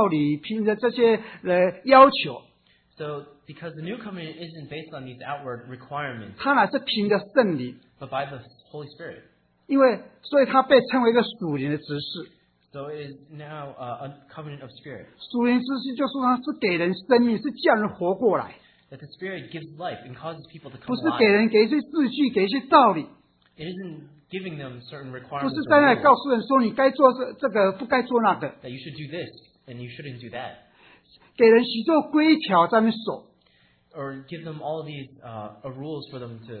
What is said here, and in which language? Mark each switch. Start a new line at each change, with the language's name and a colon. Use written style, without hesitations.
Chinese: 因为新约执事他不是凭着外面这些道理，凭着这些要求。
English: So because the new covenant isn't based on these outward requirements.
Chinese: 他乃是凭着圣灵。
English: But by the Holy Spirit.
Chinese: 因为所以他被称为一个属灵的执事。
English: So it is now a covenant of spirit.
Chinese: 属灵之事就是说是给人生命，是叫人活过来。
English: That the spirit gives life and causes people to come alive.
Chinese: 不是给人给一些字句，给一些道理。
English: It isn't giving them certain requirements.
Chinese: 不是在那里告诉人说你该做这个，不该做那个。
English: That you should do this and you shouldn't do that.
Chinese: 给人许多规条在那守。
English: Or give them all these rules for them to.